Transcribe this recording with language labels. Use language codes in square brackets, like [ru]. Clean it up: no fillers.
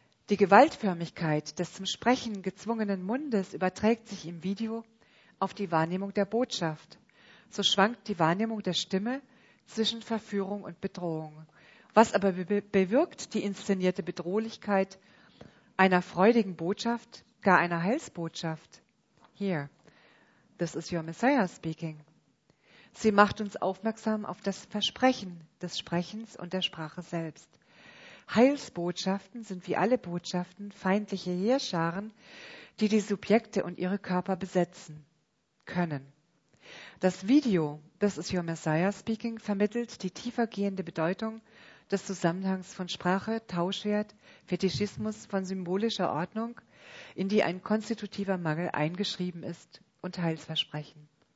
[de] Die Gewaltförmigkeit des zum Sprechen gezwungenen Mundes überträgt sich im Video auf die Wahrnehmung der Botschaft. So schwankt die Wahrnehmung der Stimme zwischen Verführung und Bedrohung. Was aber bewirkt die inszenierte Bedrohlichkeit einer freudigen Botschaft, gar einer Heilsbotschaft? [en] Here, this is your Messiah speaking. [de] Sie macht uns aufmerksam auf das Versprechen des Sprechens und der Sprache selbst. Heilsbotschaften sind wie alle Botschaften feindliche Heerscharen, die die Subjekte und ihre Körper besetzen können. Das Video This is your Messiah speaking vermittelt die tiefergehende Bedeutung des Zusammenhangs von Sprache, Tauschwert, Fetischismus, von symbolischer Ordnung, in die ein konstitutiver Mangel eingeschrieben ist, und Heilsversprechen.